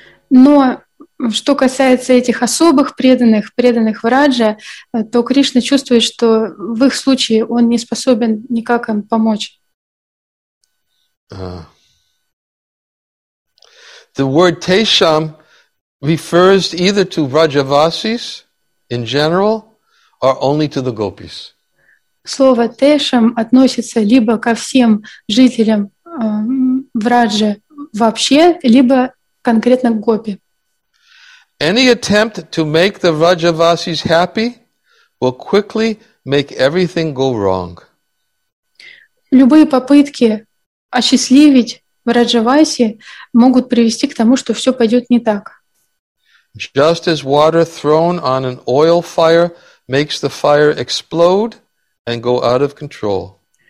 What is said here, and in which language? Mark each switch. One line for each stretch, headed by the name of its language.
Russian: Но что касается этих особых преданных, преданных Враджа, то Кришна чувствует, что в их случае он не способен никак им помочь.
English: The word Tesham refers either to Vrajavasis in general or only to the gopis.
Russian: Слово Tesham относится либо ко всем жителям Враджа вообще, либо конкретно к гопи.
English: Any attempt to make the Vrajavasis happy will quickly make everything go wrong.
Russian: Любые попытки осчастливить Vrajavasi могут привести к тому, что все пойдет не так.
English: Just as water thrown on an oil fire makes the fire explode and go out of control.